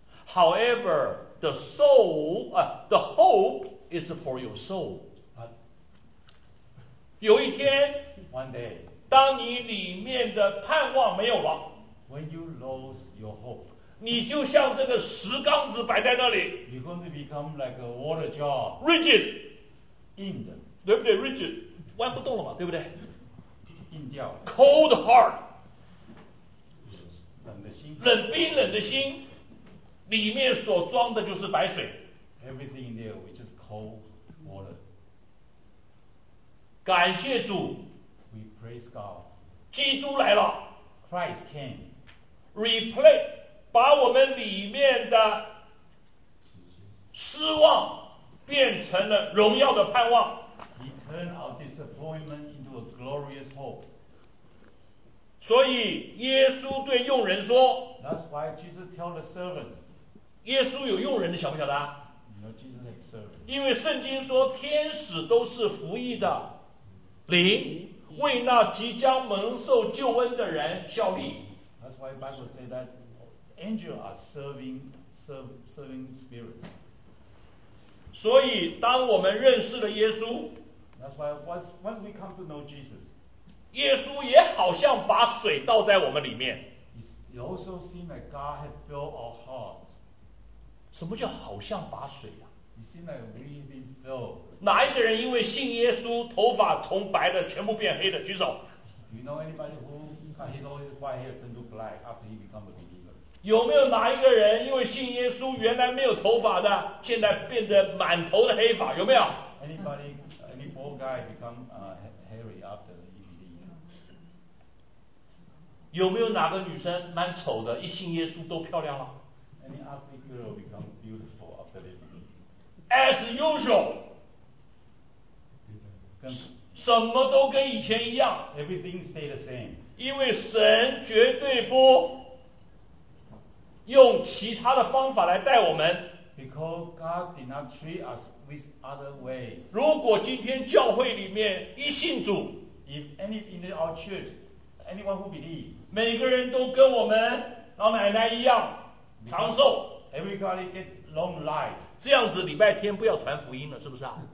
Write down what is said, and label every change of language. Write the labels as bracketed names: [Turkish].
[English] However, the soul, the hope is for your soul. [Chinese] 有一天 [English] One day. [Chinese] 当你里面的盼望没有了 [English] When you lose your hope. [Chinese] 你就像这个石缸子摆在那里。 [English] You're going to become like a water jar. Rigid. [Chinese] 硬的。对不对 ？Rigid， 弯不动了嘛，对不对？硬掉。 [English] Cold heart. [Chinese] 冷的心。冷冰冷的心，里面所装的就是白水。 [English] Everything in there is just cold water. [Chinese] 感谢主。 [English] We praise God. [Chinese] 基督来了。 [English] Christ came. Replay. [Chinese] 把我们里面的失望变成了荣耀的盼望。 [English] He turned our disappointment into a glorious hope. [Chinese] 所以耶稣对用人说。 [English] That's why Jesus told the servant. [Chinese] 耶稣有用人的，晓不晓得？ [English] No, Jesus had servant. [Chinese] 因为圣经说天使都是服役的灵，为那即将蒙受救恩的人效力。 [English] That's why Bible said that. Angels are serving spirits. [Chinese] 所以当我们认识了耶稣， [English] That's why once we come to know Jesus, [Chinese] 耶稣也好像把水倒在我们里面。 [English] It also seems like God had filled our hearts. [Chinese] 什么叫好像把水啊？ [English] It seems like we've been filled. [Chinese] 哪一个人因为信耶稣，头发从白的全部变黑的，举手。 [English] You know anybody who cut his old white hair turned to black after he become a believer? [Chinese] 有没有哪一个人因为信耶稣原来没有头发的，现在变得满头的黑发？有没有 [English] ？Anybody, any bald guy become hairy after he believe? [Chinese] 有没有哪个女生蛮丑的，一信耶稣都漂亮了 [English] ？Any ugly girl become beautiful after they believe? As usual, [Chinese] 什么都跟以前一样。 [English] Everything stay the same. [Chinese] 因为神绝对不。用其他的方法来带我们。 [English] Because God did not treat us with other way. [Chinese] 如果今天教会里面一信主， [English] if any in our church, anyone who believe, [Chinese] 每个人都跟我们老奶奶一样长寿。 [English] Everybody get long life. [Chinese] 这样子礼拜天不要传福音了，是不是啊